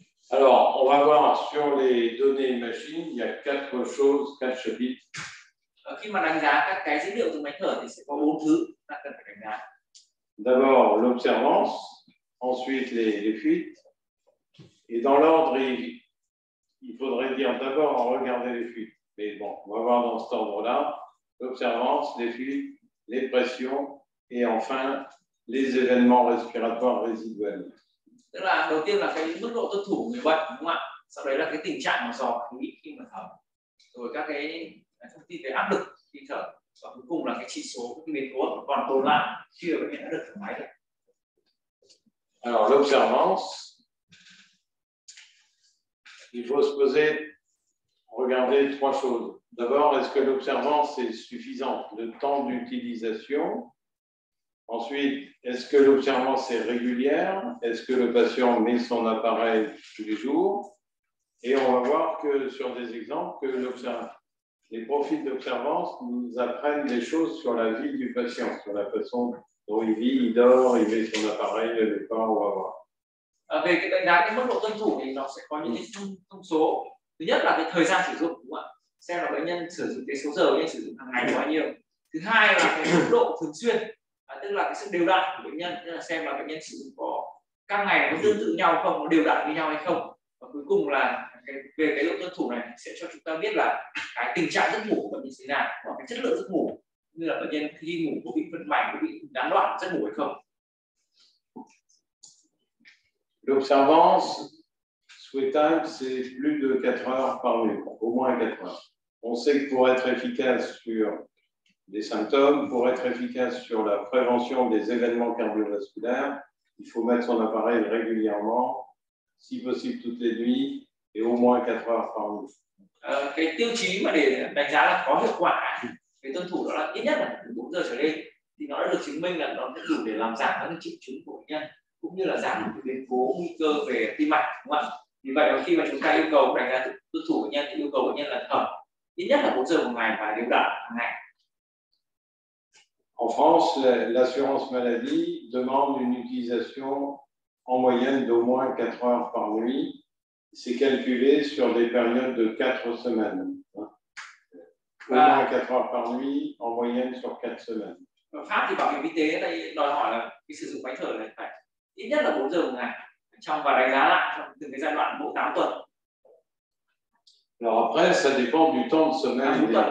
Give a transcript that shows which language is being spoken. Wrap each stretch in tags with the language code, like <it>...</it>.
<fr>Alors, on va voir sur les données machines, il y a quatre choses, quatre chapitres.</fr> <vi>Khi mà đánh giá các cái dữ liệu từ máy thở thì sẽ có bốn thứ ta cần phải đánh giá.</vi> <fr>D'abord l'observance, ensuite les fuites, et dans l'ordre il faudrait dire d'abord regarder les fuites. Mais bon, on va voir dans cet ordre-là l'observance, les fuites, les pressions, et enfin les événements respiratoires résiduels.</fr> <vi>Tức là đầu tiên là cái mức độ tuân thủ người bệnh đúng không ạ? Sau đấy là cái tình trạng mà dò khí khi mà thở, rồi các cái thông tin về áp lực khi thở, và cuối cùng là cái chỉ số cái nguyên tố còn tồn lại khi bệnh nhân đã được thở máy được.</vi> <fr>Alors l'observance, il faut se poser, regarder trois choses. D'abord, est-ce que l'observance est suffisante, le temps d'utilisation? Ensuite, est-ce que l'observance est régulière? Est-ce que le patient met son appareil tous les jours? Et on va voir que sur des exemples, que les profils d'observance nous apprennent des choses sur la vie du patient, sur la façon dont il vit, il dort, il met son appareil, il le prend, on va voir.</fr> <vi>Về cái đánh giá cái mức độ tuân thủ thì nó sẽ có những cái thông số. Thứ nhất là cái thời gian sử dụng, đúng không ạ? Xem là bệnh nhân sử dụng cái số giờ bệnh nhân sử dụng hàng ngày bao nhiêu. Thứ hai là cái mức độ thường xuyên, tức là cái sự đều đặn của bệnh nhân, tức là xem là bệnh nhân sử dụng có các ngày có tương tự nhau không, có đều đặn với nhau hay không. Và cuối cùng là về cái độ tuân thủ này sẽ cho chúng ta biết là cái tình trạng giấc ngủ của bệnh nhân thế nào, hoặc cái chất lượng giấc ngủ, như là bệnh nhân khi ngủ có bị phân mảnh, có bị gián đoạn giấc ngủ hay không.</vi> <fr>L'observance souhaitable, c'est plus de 4 heures par nuit, au moins 4 heures. On sait que pour être efficace sur les symptômes, pour être efficace sur la prévention des événements cardiovasculaires, il faut mettre son appareil régulièrement, si possible toutes les nuits, et au moins 4 heures par nuit.</fr> <vi>Cái tiêu chí mà để đánh giá là có hiệu quả, cái tuân thủ đó là ít nhất là 4 giờ trở lên, thì nó đã được chứng minh là nó đã đủ để làm giảm các triệu chứng của bệnh nhân, cũng như là giảm những biến cố nguy cơ về tim mạch, đúng không ạ? Vì vậy mà khi mà chúng ta yêu cầu đánh giá tuân thủ bệnh nhân thì yêu cầu bệnh nhân là thở ít nhất là 4 giờ một ngày và đều đặn hàng ngày.</vi> <fr>En France, l'assurance maladie demande une utilisation en moyenne d'au moins 4 heures par nuit. C'est calculé sur des périodes de 4 semaines. Au moins 4 heures par nuit en moyenne sur 4 semaines. En France,</fr> <vi>bảo hiểm y tế đây đòi hỏi là cái sử dụng máy thở này phải ít nhất là 4 giờ một ngày trong và đánh giá lại trong từng cái giai đoạn mỗi 8 tuần.</vi> <fr>Alors après, ça dépend du temps de semaine.</fr>